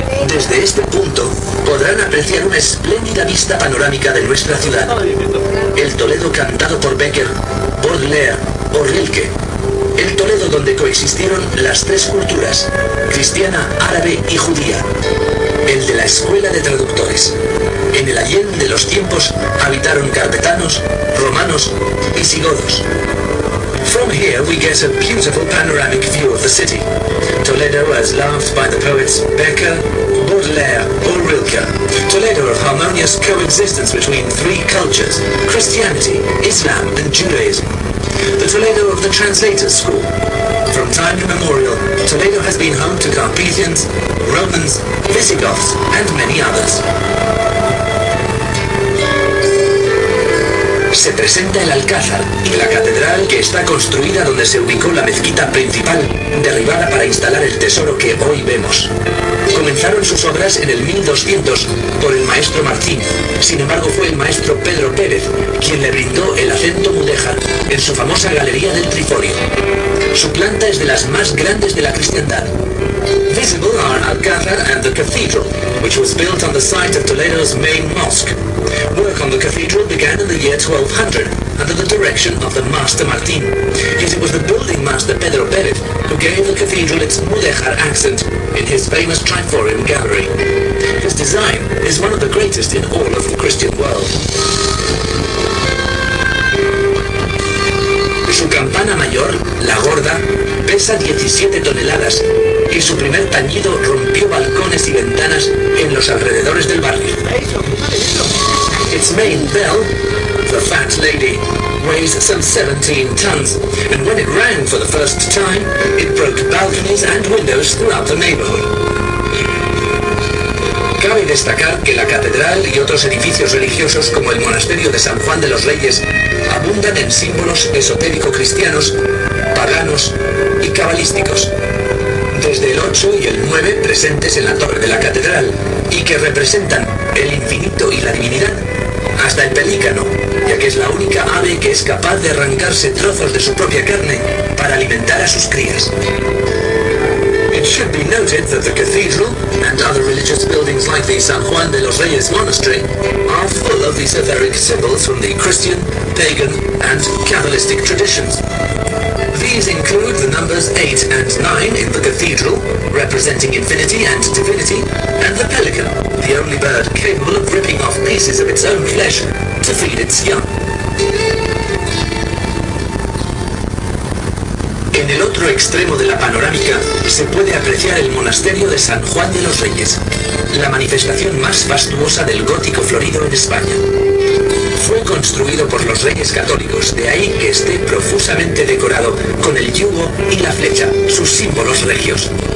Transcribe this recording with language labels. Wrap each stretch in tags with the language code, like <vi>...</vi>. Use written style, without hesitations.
<es>Desde este punto podrán apreciar una espléndida vista panorámica de nuestra ciudad, el Toledo cantado por Becker, Baudelaire o Rilke, el Toledo donde coexistieron las 3 culturas cristiana, árabe y judía. El de la escuela de traductores. En el Allén de los tiempos habitaron carpetanos, romanos y visigodos.</es> <en>From here we get a beautiful panoramic view of the city. Toledo as loved by the poets Becker, Baudelaire or Rilke. Toledo of harmonious coexistence between 3 cultures, Christianity, Islam and Judaism. The Toledo of the translator school. From time immemorial, Toledo has been home to Carpathians, Romans, Visigoths, and many others.</en> <es>Se presenta el Alcázar, la catedral que está construida donde se ubicó la mezquita principal, derribada para instalar el tesoro que hoy vemos. Comenzaron sus obras en el 1200 por el maestro Martín, sin embargo fue el maestro Pedro Pérez quien le brindó el acento mudéjar en su famosa Galería del Triforio. Su planta es de las más grandes de la cristiandad.</es> <en>Visible are Alcázar and the Cathedral, which was built on the site of Toledo's main mosque. Work on the cathedral began in the year 1200 under the direction of the master Martín. Yet it was the building master Pedro Pérez who gave the cathedral its mudéjar accent in his famous Triforium gallery. His design is one of the greatest in all of the Christian world.</en> <es>Su campana mayor, la gorda, pesa 17 toneladas y su primer tañido rompió balcones y ventanas en los alrededores del barrio.</es> <en>Its main bell, the Fat Lady, weighs some 17 tons, and when it rang for the first time, it broke balconies and windows throughout the neighborhood.</en> <es>Cabe destacar que la catedral y otros edificios religiosos como el monasterio de San Juan de los Reyes abundan en símbolos esotérico-cristianos, paganos y cabalísticos. Desde el 8 y el 9 presentes en la torre de la catedral y que representan el infinito y la divinidad, hasta el pelícano, ya que es la única ave que es capaz de arrancarse trozos de su propia carne para alimentar a sus crías.</es> <en>It should be noted that the cathedral and other religious buildings like the San Juan de los Reyes Monastery are full of esoteric symbols from the Christian, pagan and cabalistic traditions. These include the numbers 8 and 9 in the cathedral, representing infinity and divinity, and the pelican, the only bird capable of ripping off pieces of its own flesh to feed its young.</en> <es>En el otro extremo de la panorámica se puede apreciar el monasterio de San Juan de los Reyes, la manifestación más fastuosa del gótico florido en España. Fue construido por los reyes católicos, de ahí que esté profusamente decorado con el yugo y la flecha, sus símbolos regios.</es>